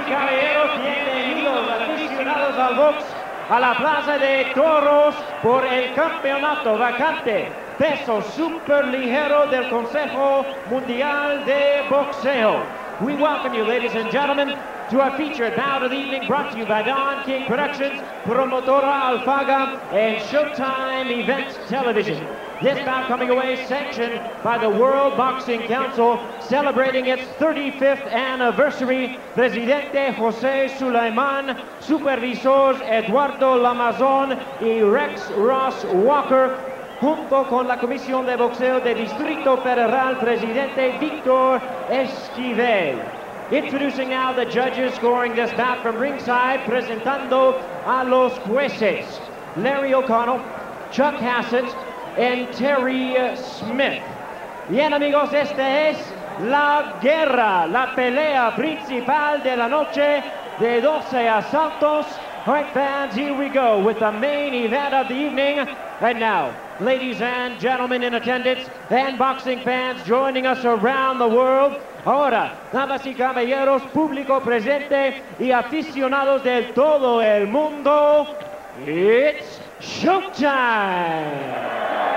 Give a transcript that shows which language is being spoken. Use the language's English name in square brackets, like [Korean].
[Spanish] caballero tiene los aficionados al box a la plaza de toros por el campeonato vacante peso super ligero del Consejo Mundial de Boxeo. [English] We welcome you, ladies and gentlemen, to our featured bout of the evening brought to you by Don King Productions, Promotora Alfaga, and Showtime Events Television. This bout coming away sanctioned by the World Boxing Council, celebrating its 35th anniversary. [Spanish] Presidente José Sulaiman, Supervisors Eduardo Lamazon y Rex Ross Walker, junto con la Comisión de Boxeo de Distrito Federal, Presidente Víctor Esquivel. [English] Introducing now the judges scoring this bout from ringside, [Spanish] presentando a los jueces, [English] Larry O'Connell, Chuck Hassett, and Terry Smith. [Spanish] Bien, amigos, esta es la guerra, la pelea principal de la noche de 12 asaltos. [English] All right, fans, here we go with the main event of the evening. And now, ladies and gentlemen in attendance and boxing fans joining us around the world, [Spanish] ahora, damas y caballeros, público presente y aficionados de todo el mundo, [English] it's showtime!